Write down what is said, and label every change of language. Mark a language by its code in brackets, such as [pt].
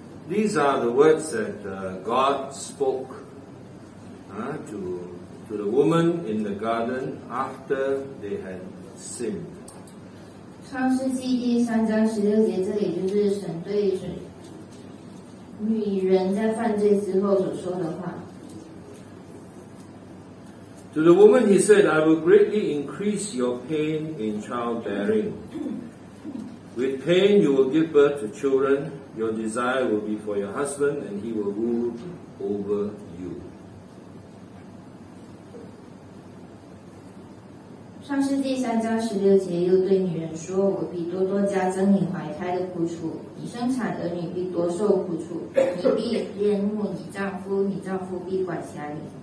[en] These are the words that God spoke to the woman in the garden after they had sinned. [zh] 创世纪第三章十六节，这里就是神对神女人在犯罪之后所说的话。 [en] To the woman he said, I will greatly increase your pain in childbearing. With pain you will give birth to children, your desire will be for your husband, and he will rule over you. [zh] 创世纪三章十六节又对女人说，我必多多加增你怀胎的苦楚，你生产儿女必多受苦楚，你必恋慕你丈夫，你丈夫必管辖你。